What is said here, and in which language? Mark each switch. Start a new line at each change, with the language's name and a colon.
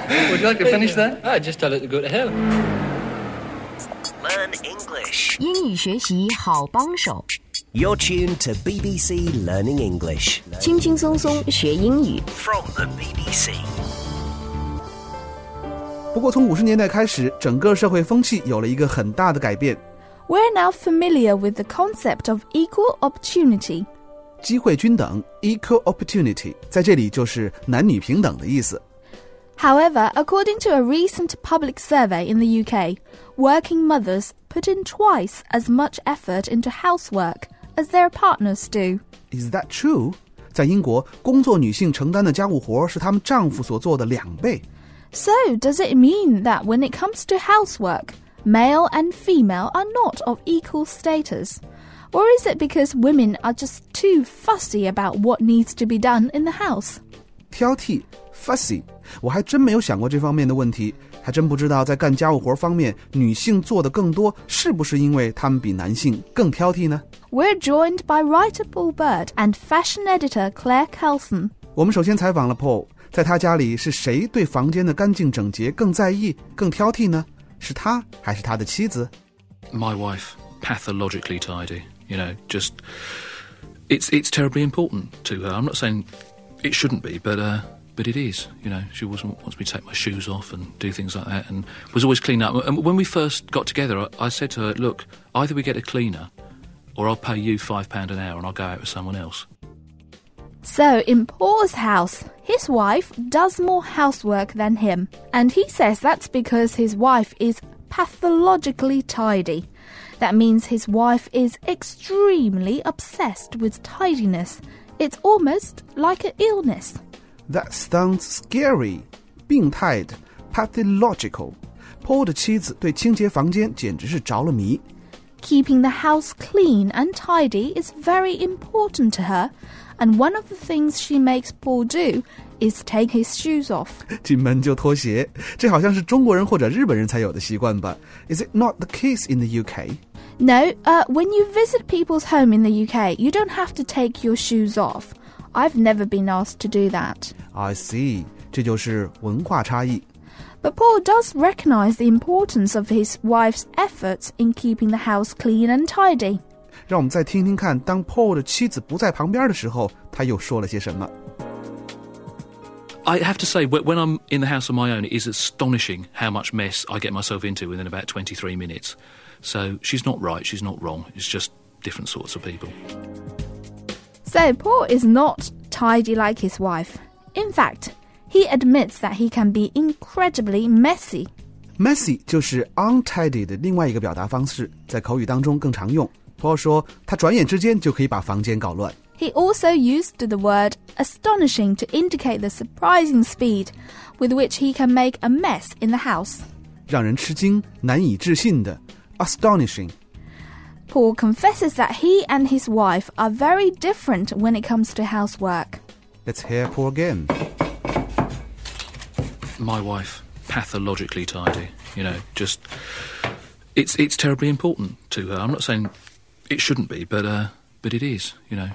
English: Would you like to finish that? I'd just tell her to go to hell. Learn English.
Chinese: 英语学习好帮手。
English: You're tuned to BBC Learning English.
Chinese: 轻轻松松学英语
English: From the BBC.
Chinese: 不过从50年代开始，整个社会风气有了一个很大的改变。
English: We're now familiar with the concept of equal opportunity.
Chinese: 机会均等
English: equal opportunity
Chinese: 在这里就是男女平等的意思。
English: However, according to a recent public survey in the UK, working mothers put in twice as much effort into housework. As their partners do. Is that true?
Chinese: 在英国，工作女性承担的家务活是她们丈夫所做的两倍。
English: So, does it mean that when it comes to housework, male and female are not of equal status? Or is it because women are just too fussy about what needs to be done in the house?
Chinese: 挑剔 fussy, 我还真没有想过这方面的问题，还真不知道在干家务活方面，女性做的更多，是不是因为她们比男性更挑剔呢？
English: We're joined by writer Paul Bird and fashion editor Claire Kelson.
Chinese: 我们首先采访了 Paul, 在他家里是谁对房间的干净整洁更在意、更挑剔呢？是他还是他的妻子？
English: My wife, pathologically tidy. You know, just, it's terribly important to her. I'm not saying it shouldn't be, but it is. You know, she always wants me to take my shoes off and do things like that and was always clean up. And when we first got together, I said to her, look, either we get a cleaner,Or I'll pay you £5 an hour and I'll go out with someone else. So, in Paul's house, his wife does more housework than him. And he says that's because his wife is pathologically tidy. That means his wife is extremely obsessed with tidiness. It's almost like an illness. That sounds scary.
Chinese: 病态的 pathological. Paul 的妻子对清洁房间简直是着了迷。
English: Keeping the house clean and tidy is very important to her, and one of the things she makes Paul do is take his shoes off.
Chinese: 进门就脱鞋，这好像是中国人或者日本人才有的习惯吧。
English: Is it not the case in the UK? No, when you visit people's home in the UK, you don't have to take your shoes off. I've never been asked to do that. I see,
Chinese: 这就是文化差异。
English: But Paul does recognize the importance of his wife's efforts in keeping the house clean and tidy.
Chinese: 让我们再听听看，当 Paul 的妻子不在旁边的时候，他又说了些什么。
English: I have to say, when I'm in the house on my own, it is astonishing how much mess I get myself into within about 23 minutes. So she's not right, she's not wrong. It's just different sorts of people. So Paul is not tidy like his wife. In fact... He admits that he can be incredibly messy.
Chinese: Messy 就是 untidy 的另外一个表达方式，在口语当中更常用。 Paul 说，他转眼之间就可以把房间搞乱。
English: He also used the word astonishing to indicate the surprising speed with which he can make a mess in the house.
Chinese: 让人吃惊，难以置信的 astonishing.
English: Paul confesses that he and his wife are very different when it comes to housework. Let's hear Paul again. My wife, pathologically tidy, you know, just, it's terribly important to her. I'm not saying it shouldn't be, but it is, you know.